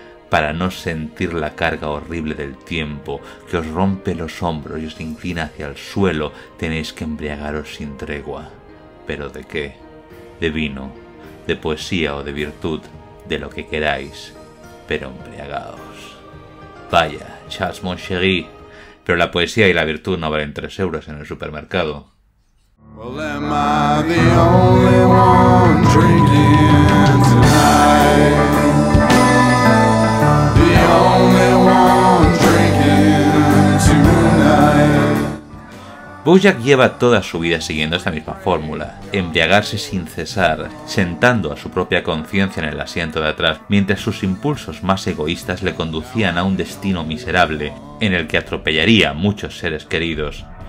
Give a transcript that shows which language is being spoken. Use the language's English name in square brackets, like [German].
[Spanish] Para no sentir la carga horrible del tiempo que os rompe los hombros y os inclina hacia el suelo, tenéis que embriagaros sin tregua. ¿Pero de qué? ¿De vino? ¿De poesía o de virtud? De lo que queráis, pero embriagaos. Vaya, Charles Montchéri, pero la poesía y la virtud no valen 3 euros en el supermercado. [English] Well, am I the only one drinking tonight? The only one drinking tonight. [Spanish] Bojack lleva toda su vida siguiendo esta misma fórmula. Embriagarse sin cesar, sentando a su propia conciencia en el asiento de atrás, mientras sus impulsos más egoístas le conducían a un destino miserable en el que atropellaría a muchos seres queridos.